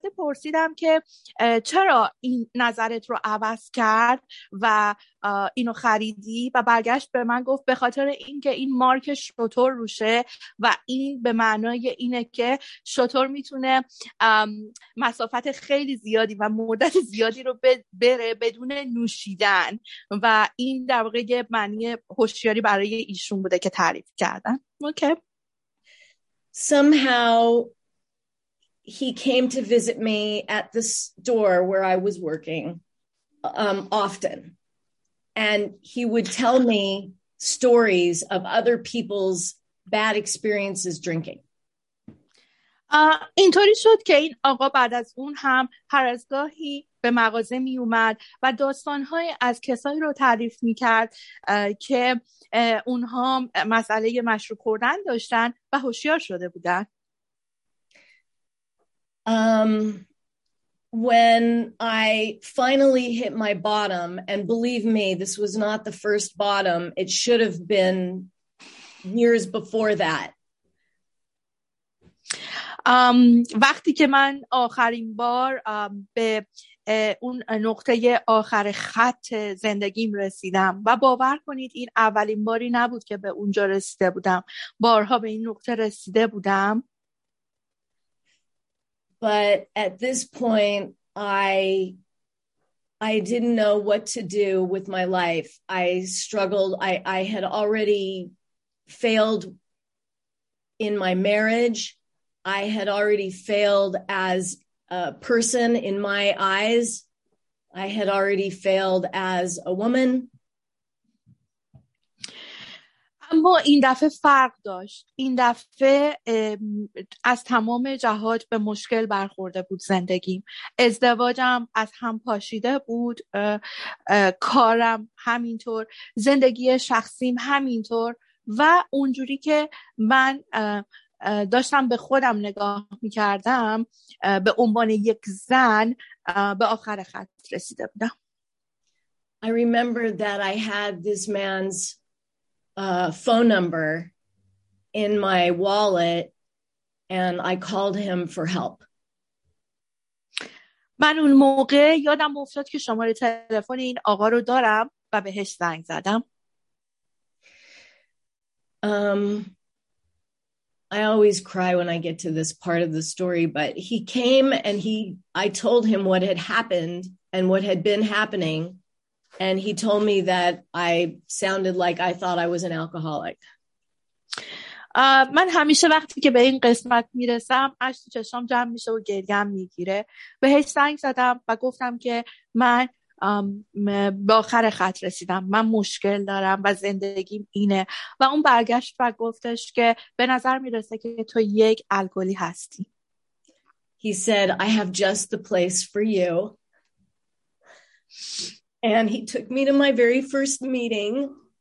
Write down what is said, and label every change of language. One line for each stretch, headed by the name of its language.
Persian: پرسیدم که چرا این نظرت رو عوض کرد و اینو خریدی و برگشت به من گفت به خاطر اینکه این مارک شتر روشه و این به معنای اینه که شتر میتونه مسافت خیلی زیادی و مدت زیادی رو بره بدون نوشیدن و این در واقع یه معنی هوشیاری برای ایشون بوده که تعریف کردن.
English: Okay. Somehow he came to visit me at the store where I was working often. And he would tell me stories of other people's bad experiences drinking.
Persian: اینطوری شد که این آقا بعد از اون هم هر از گاهی به مغازه می اومد و داستانهای از کسایی رو تعریف می کرد که اونها مسئله مشروب خوردن داشتن و هوشیار شده بودن.
English: When I finally hit my bottom, and believe me, this was not the first bottom, it should have been years before that.
Persian: وقتی که من آخرین بار به اون نقطه آخر خط زندگیم رسیدم و باور کنید این اولین باری نبود که به اونجا رسیده بودم. بارها به این نقطه رسیده بودم.
English: But at this point, I didn't know what to do with my life. I struggled. I had already failed in my marriage. I had already failed as a person in my eyes. I had already failed as a woman.
Persian: اما این دفعه فرق داشت. این دفعه از تمام جهات به مشکل برخورده بود زندگیم. ازدواجم از هم پاشیده بود. کارم همینطور. زندگی شخصیم همینطور. و اونجوری که من داشتم به خودم نگاه میکردم به عنوان یک زن به آخر خط رسیده بودم.
English: I remember that I had this man's phone number in my wallet and I called him for help.
Persian: من اون موقع یادم افتاد که شماره تلفن این آقا رو دارم و بهش زنگ زدم.
English: I always cry when I get to this part of the story, but he came and I told him what had happened and what had been happening. And he told me that I sounded like I thought I was an alcoholic.
Persian: من همیشه وقتی که به این قسمت میرسم اشک چشام جمع میشه و گریم میگیره. بهش زنگ زدم و گفتم که من به آخر خط رسیدم. من مشکل دارم و زندگیم اینه. و اون برگشت و گفتش که به نظر میرسه که تو یک الکلی هستی.
English: He said, I have just the place for you. And he took me to my very first meeting.